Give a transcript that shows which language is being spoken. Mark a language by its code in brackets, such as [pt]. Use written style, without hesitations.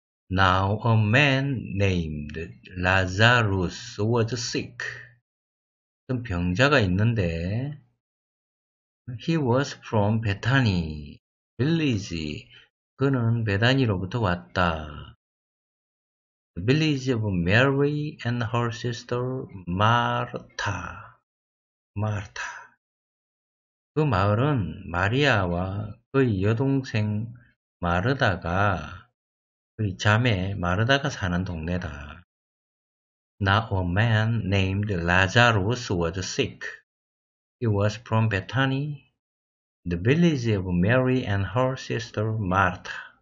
[en] Now a man named Lazarus was sick. [ko] 어떤 병자가 있는데 [en] He was from Bethany village. [ko] 그는 베다니로부터 왔다. [en] The village of Mary and her sister Martha. Martha. [ko] 그 마을은 마리아와 그의 여동생 마르다가, 그의 자매 마르다가 사는 동네다. [en] Now a man named Lazarus was sick. He was from Bethany, the village of Mary and her sister Martha.